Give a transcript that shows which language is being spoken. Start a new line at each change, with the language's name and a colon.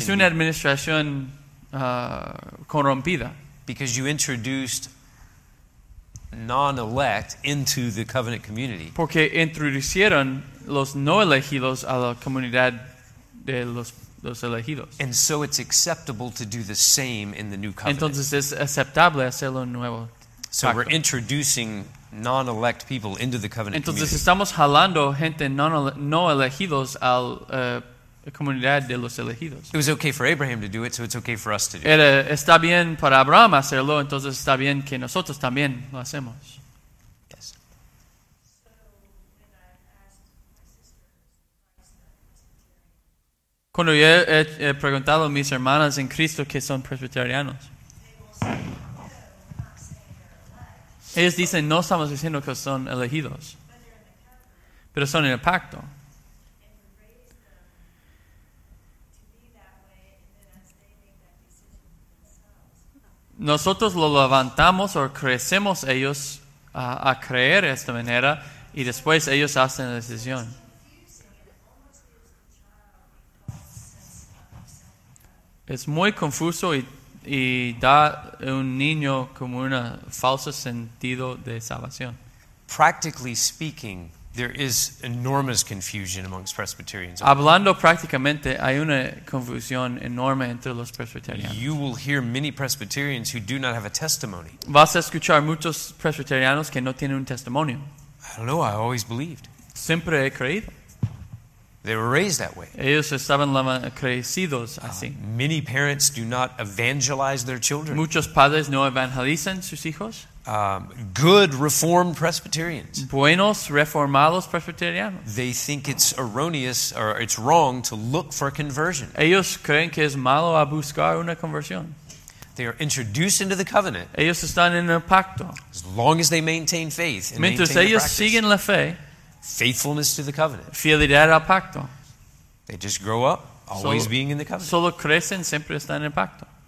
Spanish: Es una administración corrompida.
English: Because you introduced non-elect into the covenant community.
Spanish: Porque introducieron los no elegidos a la comunidad de los elegidos.
English: And so it's acceptable to do the same in the new covenant.
Spanish: Entonces es aceptable hacerlo en nuevo pacto.
English: So we're introducing non-elect people into the covenant
Spanish: Entonces
English: community.
Spanish: Entonces estamos jalando gente no elegidos al comunidad de los elegidos.
English: It was okay for Abraham to do it, so it's okay for us to do
Spanish: Era, está bien para Abraham hacerlo, entonces está bien que nosotros también lo hacemos.
English: Yes.
Spanish: Cuando yo he preguntado a mis hermanas en Cristo que son presbiterianos, ellos dicen, no estamos diciendo que son elegidos, pero son en el pacto. Nosotros lo levantamos o crecemos ellos a creer de esta manera y después ellos hacen la decisión. Es muy confuso y da a un niño como un falso sentido de salvación.
English: Practically speaking, there is enormous confusion amongst Presbyterians.
Spanish: Hablando prácticamente, hay una confusión enorme entre los presbiterianos.
English: You will hear many Presbyterians who do not have a testimony.
Spanish: Vas a escuchar muchos presbiterianos que no tienen un testimonio.
English: I don't know, I always believed.
Spanish: Siempre he creído.
English: They were raised that way.
Spanish: Ellos estaban crecidos así.
English: Many parents do not evangelize their children.
Spanish: Muchos padres no evangelizan sus hijos.
English: Good Reformed Presbyterians.
Spanish: Buenos reformados presbiterianos.
English: They think it's erroneous or it's wrong to look for conversion.
Spanish: Ellos creen que es malo a buscar una conversión.
English: They are introduced into the covenant.
Spanish: Ellos están en el pacto.
English: As long as they maintain faith and
Spanish: Mientras
English: maintain
Spanish: ellos
English: practice.
Spanish: Siguen la fe.
English: Faithfulness to the covenant.
Spanish: Fidelidad al pacto.
English: They just grow up, always being in the covenant.
Spanish: Solo crecen, siempre están en el pacto.